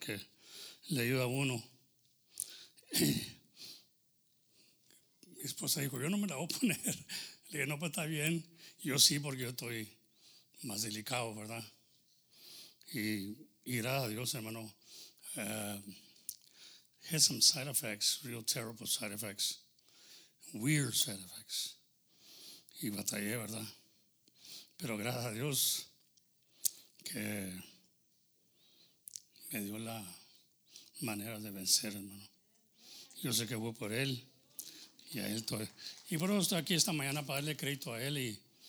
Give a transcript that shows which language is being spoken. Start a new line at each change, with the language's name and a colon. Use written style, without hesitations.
Spanish: Que le ayuda a uno. Mi esposa dijo, yo no me la voy a poner. Le dije, no, pues está bien. Yo sí, porque yo estoy más delicado, ¿verdad? Y gracias a Dios, hermano.
English: Had some side effects, real terrible side effects, weird side effects.
Spanish: Y batallé, ¿verdad? Pero gracias a Dios que me dio la manera de vencer, hermano. Yo sé que fue por él y a él todo. Y por eso estoy aquí esta mañana para darle crédito a él.